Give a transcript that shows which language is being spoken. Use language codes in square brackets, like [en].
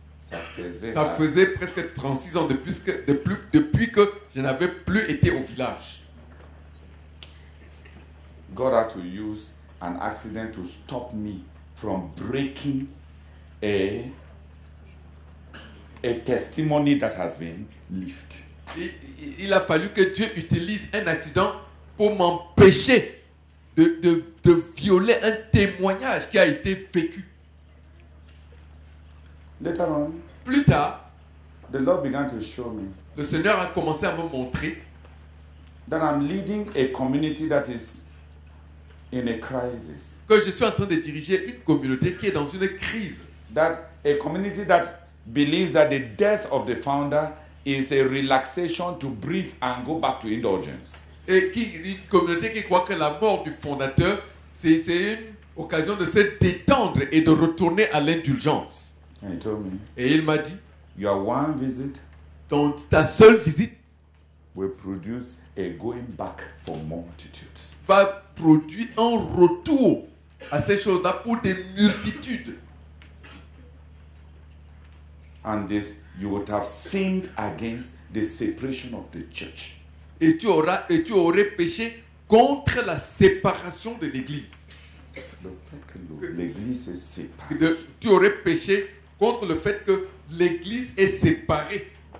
[fr] Ça faisait presque 36 ans depuis que je n'avais plus été au village. [en] God had to use an accident to stop me from breaking a testimony that has been lived. [fr] Il a fallu que Dieu utilise un accident pour m'empêcher de violer un témoignage qui a été vécu. [en] Later on, [fr] plus tard, [en] the Lord began to show me, [fr] le Seigneur a commencé à me montrer [en] that I'm leading a community that is in a crisis. [fr] Que je suis en train de diriger une communauté qui est dans une crise. [en] That a community that believes that the death of the founder is a relaxation to breathe and go back to indulgence. [fr] Et qui, une communauté qui croit que la mort du fondateur, c'est une occasion de se détendre et de retourner à l'indulgence. [en] And he told me, [fr] et il m'a dit, [en] your one visit, [fr] donc ta seule visite, [en] will produce a going back for multitudes. [fr] Va produire un retour à ces choses-là pour des multitudes. [en] And this, you would have sinned against the separation of the church. [fr] Et tu aurais péché contre la séparation de l'Église. Le fait que l'Église est séparée. Tu aurais péché contre le fait que l'Église est séparée.